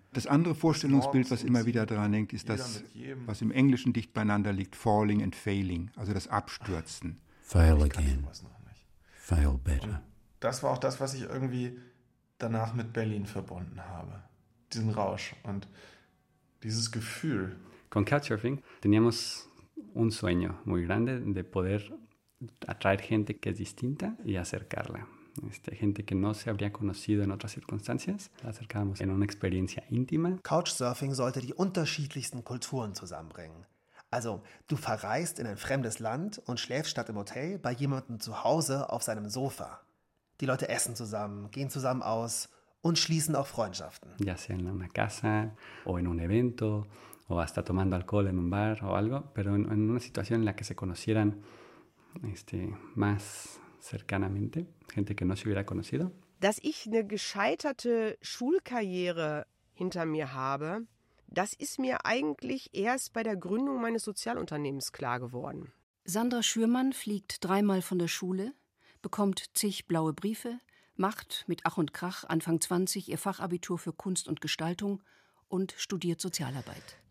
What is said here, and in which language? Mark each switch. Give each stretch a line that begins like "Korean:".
German: Das andere Vorstellungsbild, was immer wieder daran hängt, ist das, was im Englischen dicht beieinander liegt, falling and failing, also das Abstürzen.
English: Fail again. Fail better.
German: Das war auch das, was ich irgendwie danach mit Berlin verbunden habe. Diesen Rausch und dieses Gefühl.
Spanish: Con Couchsurfing teníamos un sueño muy grande de poder atraer gente que es distinta y acercarla. Gente que no se habría conocido en otras circunstancias, la acercamos en una experiencia íntima.
German: Couchsurfing sollte die unterschiedlichsten Kulturen zusammenbringen. Also, du verreist in ein fremdes Land und schläfst statt im Hotel bei jemandem zu Hause auf seinem Sofa. Die Leute essen zusammen, gehen zusammen aus und schließen auch Freundschaften.
Spanish: Ya sea en una casa o en un evento o hasta tomando alcohol en un bar o algo, pero en una situación en la que se conocieran más cercanamente, gente que no se hubiera conocido.
German: Dass ich eine gescheiterte Schulkarriere hinter mir habe, das ist mir eigentlich erst bei der Gründung meines Sozialunternehmens klar geworden. Sandra Schürmann fliegt 3-mal von der Schule, bekommt 10 blaue Briefe, macht mit Ach und Krach Anfang 20 ihr Fachabitur für Kunst und Gestaltung und studiert Sozialarbeit.